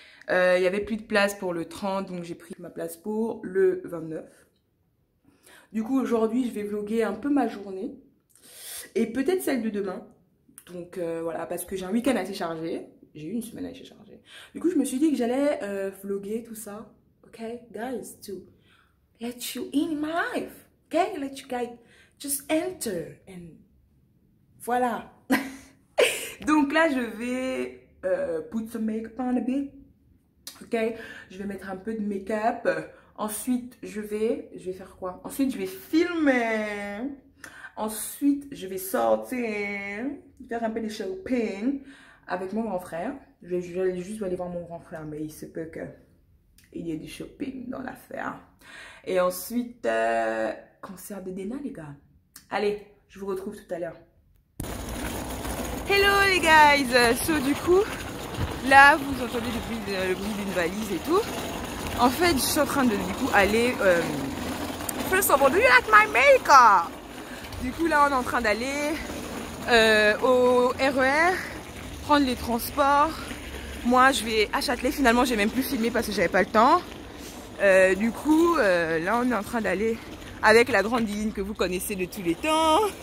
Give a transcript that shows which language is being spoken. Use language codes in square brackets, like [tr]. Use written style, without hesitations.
[fr] Il y avait plus de place pour le 30, donc j'ai pris ma place pour le 29. Du coup, aujourd'hui, je vais vlogger un peu ma journée et peut-être celle de demain. Donc voilà, parce que j'ai un week-end assez chargé. J'ai eu une semaine assez chargée. Du coup, je me suis dit que j'allais vlogger tout ça. [en] Ok, guys, to let you in my life. Ok, let you guys just enter and voilà. [fr] Donc là, je vais [en] put some makeup on a bit. [fr] Ok, je vais mettre un peu de make-up. Ensuite, je vais faire quoi? Ensuite, je vais filmer. Ensuite, je vais sortir, faire un peu de shopping avec mon grand frère. Je vais aller voir mon grand frère, mais il se peut qu'il y ait du shopping dans l'affaire. Et ensuite, concert de Dena, les gars. Allez, je vous retrouve tout à l'heure. Hello, les guys. So, du coup, là, vous entendez le bruit d'une valise et tout. En fait, je suis en train de du coup aller. [en] First of all, do you like my makeup? [fr] Du coup, là, on est en train d'aller au RER, prendre les transports. Moi, je vais à Châtelet. Finalement, j'ai même plus filmé parce que j'avais pas le temps. Là, on est en train d'aller avec la grande Diline que vous connaissez de tous les temps.